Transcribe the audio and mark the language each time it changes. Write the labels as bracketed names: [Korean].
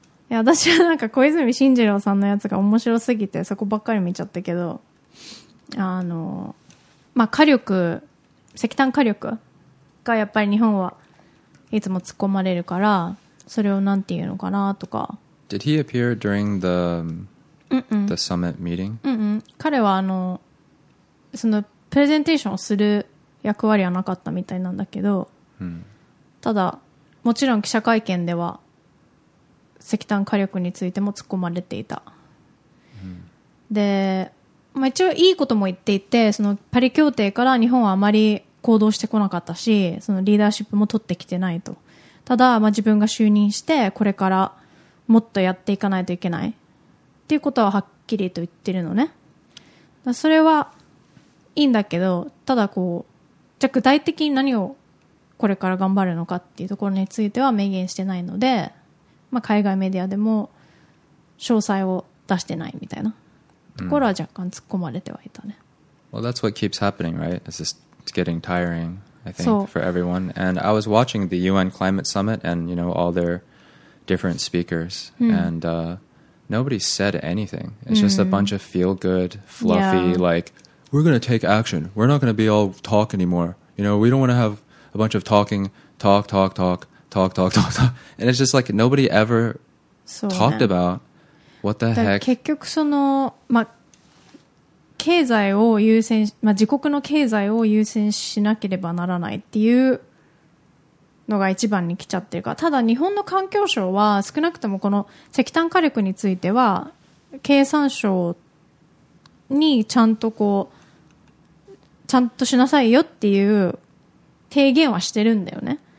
[Japanese] いや、私はなんか小泉進次郎さんのやつが面白すぎてそこばっかり見ちゃったけど、火力、石炭火力がやっぱり日本はいつも突っ込まれるから、それをなんていうのかなとか。 [English] Did he appear during the, the summit meeting? [Japanese] 彼はそのププレゼンテーションをする役割はなかったみたいなんだけど、うん、ただもちろん記者会見では石炭火力についても突っ込まれていた、うん、で、まあ、一応いいことも言っていて、そのパリ協定から日本はあまり行動してこなかったし、そのリーダーシップも取ってきてないと。ただ、まあ、自分が就任してこれからもっとやっていかないといけないっていうことははっきりと言ってるのね。だそれはいいんだけど、ただこうじゃあ具体的に何をこれから頑張るのかっていうところについては明言してないので、まあ、海外メディアでも詳細を出してないみたいなところは若干突っ込まれてはいたね。 [English] Well, that's what keeps happening, right? It's just getting tiring, I think, for everyone. And I was watching the UN Climate Summit and, you know, all their different speakers. And nobody said anything. It's just a bunch of feel-good, fluffy, like, we're going to take action. We're not going to be all talk anymore. You know, we don't want to have a bunch of talking, talk. And it's just like nobody ever talked about what the heck? [Japanese] 結局その、ま、経済を優先、ま、自国の経済を優先しなければならないっていうのが一番に来ちゃってるから、ただ日本の環境省は少なくともこの石炭火力については経産省にちゃんとこうちゃんとしなさいよっていう提言はしてるんだよね。